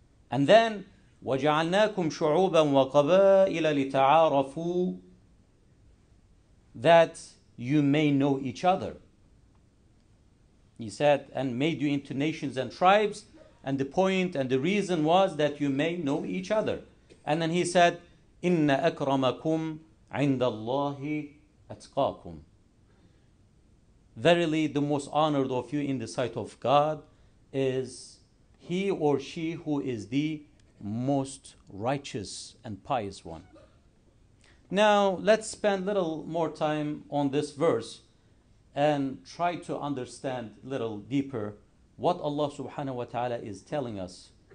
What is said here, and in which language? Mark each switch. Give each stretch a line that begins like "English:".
English: And then,
Arabic: وَجَعَلْنَاكُمْ شُعُوبًا وَقَبَائِلَ لِتَعَارَفُوا,
English: that you may know each other. He said, and made you into nations and tribes, and the point and the reason was that you may know each other. And then he said,
Arabic: إِنَّ أَكْرَمَكُمْ عِنْدَ اللَّهِ أَتْقَاكُمْ.
English: Verily, the most honored of you in the sight of God is he or she who is the most righteous and pious one. Now, let's spend a little more time on this verse and try to understand a little deeper what Allah subhanahu wa ta'ala is telling us.